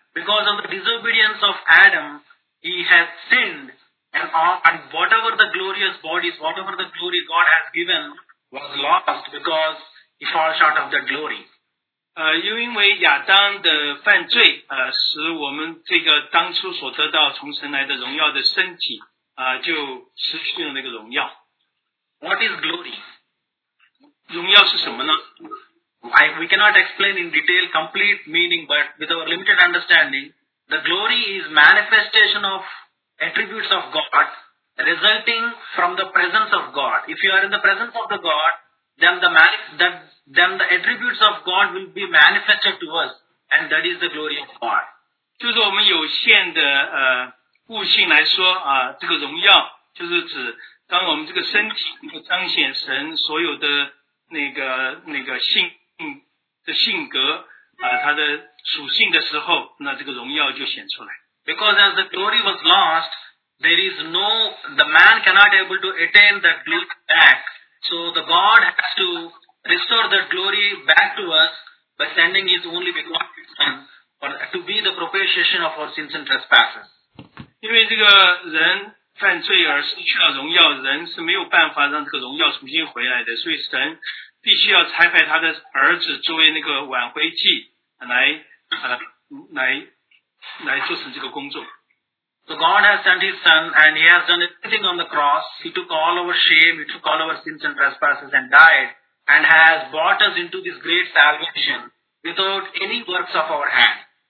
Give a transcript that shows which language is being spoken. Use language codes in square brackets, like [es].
[en] Because of the disobedience of Adam, he has sinned, and whatever the glorious bodies, whatever the glory God has given, was lost because he fell short of the glory. [zh] 又因为亚当的犯罪使我们这个当初所得到从神来的荣耀的身体就失去了那个荣耀。 [en] What is glory? [zh] 荣耀是什么呢？ [en] We cannot explain in detail complete meaning, but with our limited understanding, the glory is manifestation of attributes of God resulting from the presence of God. If you are in the presence of the God, then the attributes of God will be manifested to us, and that is the glory of God. [zh] 就是我们有限的悟性来说这个荣耀就是指当我们这个身体能够彰显神所有的那个性的性格它的属性的时候，那这个荣耀就显出来。 [en] Because as the glory was lost, there is no the man cannot able to attain that glory back. So the God has to. Restore that glory back to us by sending His only begotten Son to be the propitiation of our sins and trespasses. [zh] 因为这个人犯罪而失去了荣耀，人是没有办法让这个荣耀重新回来的，所以神必须要差派他的儿子作为那个挽回祭来做成这个工作。 [en] So God has sent His Son, and He has done everything on the cross. He took all our shame, He took all our sins and trespasses, and died. And has brought us into this great salvation without any works of our hand.